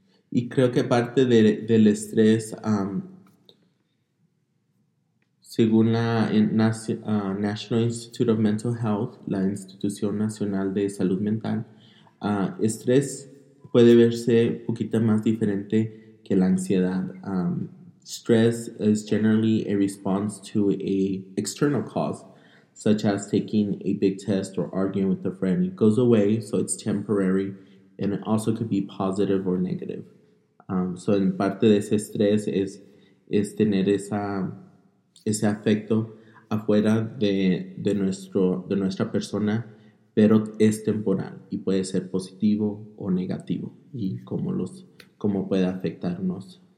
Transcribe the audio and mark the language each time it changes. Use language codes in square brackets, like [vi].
[es] Y creo que parte del estrés, según la National Institute of Mental Health, la Institución Nacional de Salud Mental, estrés puede verse un poquito más diferente que la ansiedad. [en] Stress is generally a response to a external cause, such as taking a big test or arguing with a friend. It goes away, so it's temporary, and it also could be positive or negative. [es] So en parte de ese estrés es tener ese afecto afuera de nuestra persona, pero es temporal y puede ser positivo o negativo, y cómo puede afectarnos.